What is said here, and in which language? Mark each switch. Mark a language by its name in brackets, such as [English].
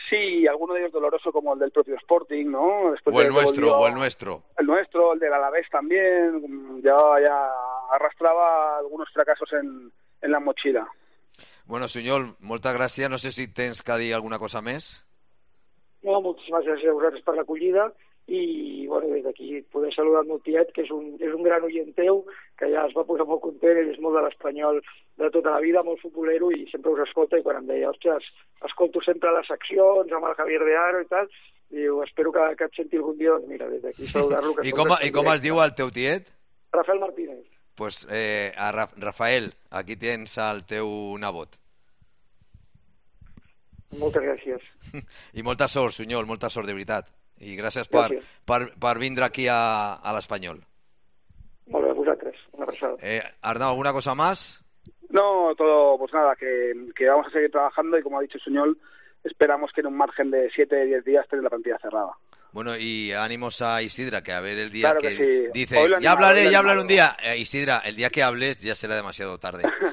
[Spanish] Sí, alguno de ellos doloroso, como el del propio Sporting, ¿no? Después o el nuestro, volvió, o el nuestro. El nuestro, el del Alavés también, ya arrastraba algunos fracasos en la mochila. Bueno, Suñol, muchas gracias. No sé si [Catalan] tens que dir alguna cosa [Spanish] más. [Catalan] No, moltíssimes gràcies a vosaltres per l'acollida i bueno, des d'aquí poder saludar el meu tiet, que és un gran oient teu, que ja es va posar molt content. Ell és molt de l'Espanyol de tota la vida, molt futbolero, i sempre us escolta, i quan em deia ostres, escolto sempre les seccions amb el Javier de Aro i tal, diu, espero que et senti algun dia, doncs mira, des d'aquí saludar-lo. I com es diu el teu tiet? Rafael Martínez. Pues, Rafael, aquí tens el teu nebot. Moltes gràcies. I molta sort, Suñol, molta sort, de veritat. I gràcies per vindre aquí a l'Espanyol. Molt bé, vosaltres. Una abraçada. Arnau, alguna cosa més? [Spanish] No, todo, pues nada, que vamos a seguir trabajando y como ha dicho Suñol, esperamos que en un margen de 7-10 días tenga la plantilla cerrada. Bueno, y ánimos a Isidra, que a ver el día claro que sí. Dice, animado, ya hablaré, ya hablaré un día. Isidra, el día que hables ya será demasiado tarde.